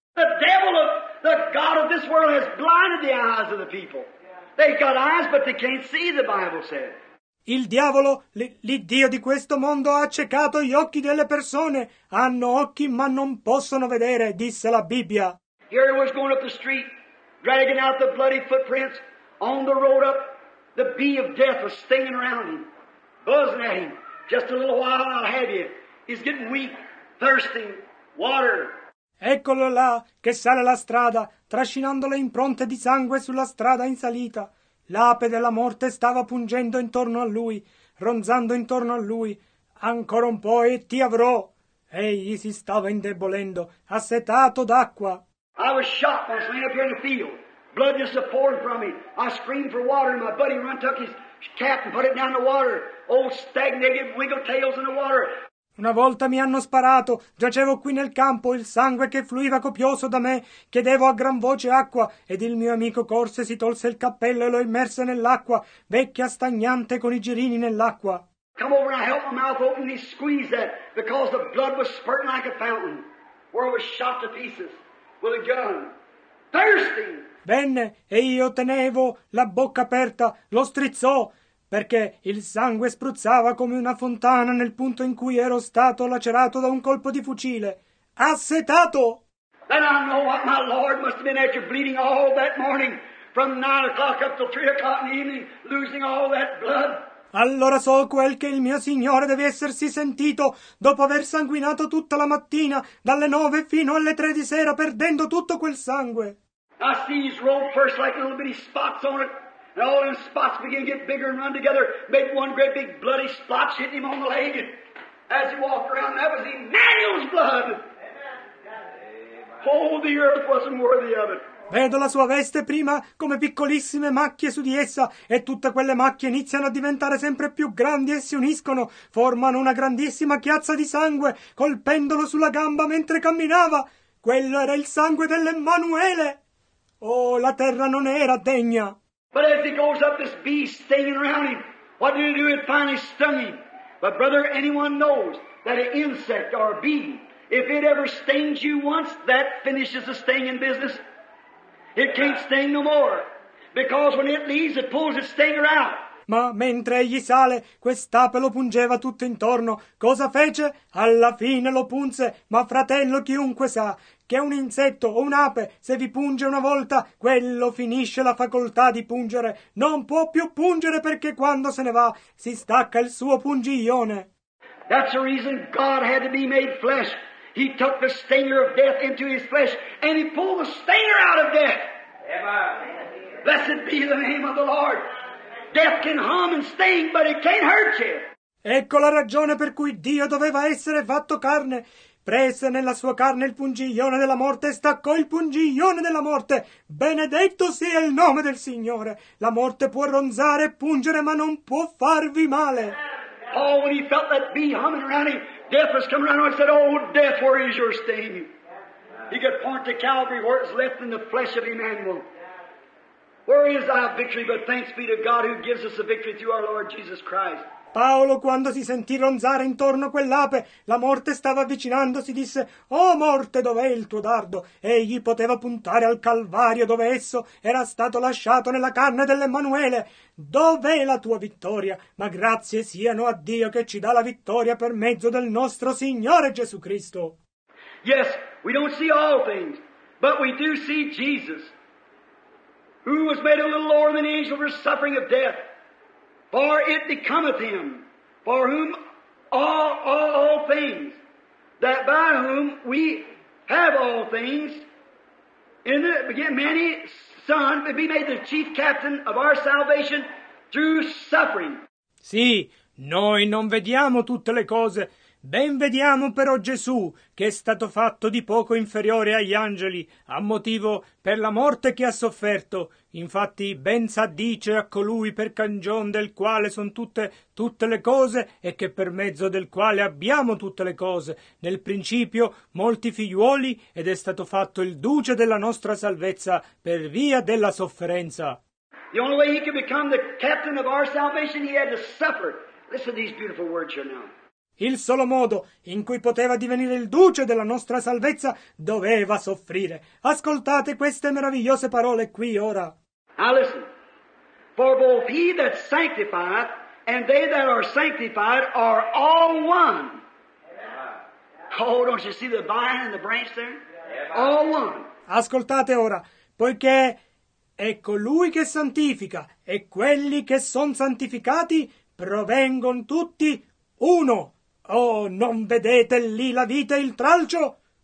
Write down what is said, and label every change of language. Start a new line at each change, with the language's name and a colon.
English: The devil of the God of this world has blinded the eyes of the people. They've got eyes but they can't see, the Bible said.
Italian: Il diavolo, l'iddio di questo mondo ha accecato gli occhi delle persone. Hanno occhi ma non possono vedere, disse la Bibbia.
English: Here he was going up the street, dragging out the bloody footprints. On the road up, the bee of death was stinging around him, buzzing at him. Just a little while, I'll have you. He's getting weak, thirsting, water.
Italian: Eccolo là, che sale la strada, trascinando le impronte di sangue sulla strada in salita. L'ape della morte stava pungendo intorno a lui, ronzando intorno a lui. Ancora un po' e ti avrò. Egli si stava indebolendo, assetato d'acqua.
English: I was shot when I was laying up here in the field. Blood just pouring from me. I screamed for water and my buddy run took his cap and put it down the water. Old stagnated wiggle tails in the water.
Italian: Una volta mi hanno sparato. Giacevo qui nel campo. Il sangue che fluiva copioso da me. Chiedevo a gran voce acqua. Ed il mio amico corse, si tolse il cappello e lo immerse nell'acqua. Vecchia stagnante con i girini nell'acqua.
English: Come over and I helped my mouth open and he squeezed that because the blood was spurting like a fountain where I was shot to pieces. With a gun. Thirsty.
Italian: Venne e io tenevo la bocca aperta, lo strizzò, perché il sangue spruzzava come una fontana nel punto in cui ero stato lacerato da un colpo di fucile. Assetato!
English: Then I know what my Lord must have been after, bleeding all that morning, from 9 o'clock up till 3 o'clock in the evening, losing all that blood.
Italian: Allora so quel che il mio Signore deve essersi sentito dopo aver sanguinato tutta la mattina, dalle 9 fino alle 3 di sera, perdendo tutto quel sangue.
English: I see his robe first like little bitty spots on it, And all them spots begin to get bigger and run together. Made one great big bloody splotch hitting him on the leg. And as he walked around, that was Emmanuel's blood. Oh, the earth wasn't worthy of it.
Italian: Vedo la sua veste prima come piccolissime macchie su di essa e tutte quelle macchie iniziano a diventare sempre più grandi e si uniscono, formano una grandissima chiazza di sangue colpendolo sulla gamba mentre camminava. Quello era il sangue dell'Emmanuele. Oh, la terra non era degna.
English: But as he goes up, this beast stinging around him, what did he do? It finally stung him. But brother, anyone knows that an insect or a bee, if it ever stings you once, that finishes the stinging business. It can't sting no more, because when it leaves, it pulls its stinger out.
Italian: Ma mentre egli sale, quest'ape lo pungeva tutto intorno. Cosa fece? Alla fine lo punse. Ma fratello, chiunque sa che un insetto o un'ape, se vi punge una volta, quello finisce la facoltà di pungere. Non può più pungere, perché quando se ne va, si stacca il suo pungiglione.
English: That's the reason God had to be made flesh. He took the stinger of death into his flesh, and he pulled the stinger out of death. Amen. Blessed be the name of the Lord. Death can harm and sting, but it can't hurt you.
Italian: Ecco la ragione per cui Dio doveva essere fatto carne. Prese nella sua carne il pungiglione della morte e staccò il pungiglione della morte. Benedetto sia il nome del Signore. La morte può ronzare e pungere, ma non può farvi male.
English: Oh, when he felt that bee humming around him, death was coming around him. He said, oh, death, where is your sting? He could point to Calvary where it's left in the flesh of Emmanuel. Where is our victory? But thanks be to God who gives us the victory through our Lord Jesus Christ.
Italian: Paolo, quando si sentì ronzare intorno a quell'ape, la morte stava avvicinandosi, disse, oh morte, dov'è il tuo dardo? Egli poteva puntare al Calvario, dove esso era stato lasciato nella carne dell'Emmanuele. Dov'è la tua vittoria? Ma grazie siano a Dio che ci dà la vittoria per mezzo del nostro Signore Gesù Cristo.
English: Yes, we don't see all things, but we do see Jesus, who was made a little lower than angels for suffering of death. For it becometh him, for whom all things, that by whom we have all things, in the beginning, many sons, be made the chief captain of our salvation through suffering.
Italian: Sì, noi non vediamo tutte le cose. Ben vediamo però Gesù, che è stato fatto di poco inferiore agli angeli, a motivo per la morte che ha sofferto. Infatti ben s'addice a colui per cagion del quale sono tutte le cose e che per mezzo del quale abbiamo tutte le cose. Nel principio molti figliuoli ed è stato fatto il duce della nostra salvezza per via della sofferenza.
English: The only way he could become the captain of our salvation, he had to suffer. Listen to these beautiful words here now.
Italian: Il solo modo in cui poteva divenire il duce della nostra salvezza doveva soffrire. Ascoltate queste meravigliose parole qui ora.
English: Now listen. For both he that sanctifieth and they that are sanctified are all one. Oh, don't you see the vine and the branch there? All one.
Italian: Ascoltate ora, poiché è colui che santifica e quelli che sono santificati provengono tutti uno. Oh, non vedete lì la vite e il tralcio?